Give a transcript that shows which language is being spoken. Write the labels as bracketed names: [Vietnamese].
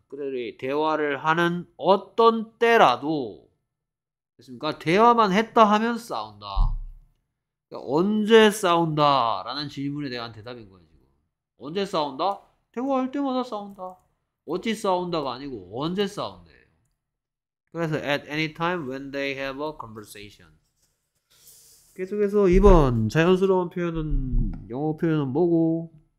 [Korean] 그들이 대화를 하는 어떤 때라도. 됐습니까? 대화만 했다 하면 싸운다. 언제 싸운다? 라는 질문에 대한 대답인 거예요, 지금. 언제 싸운다? 대화할 때마다 싸운다. 어찌 싸운다가 아니고, 언제 싸운대요. 그래서, [English] at any time when they have a conversation. [Korean] 계속해서 2번, 자연스러운 표현은, 영어 표현은 뭐고?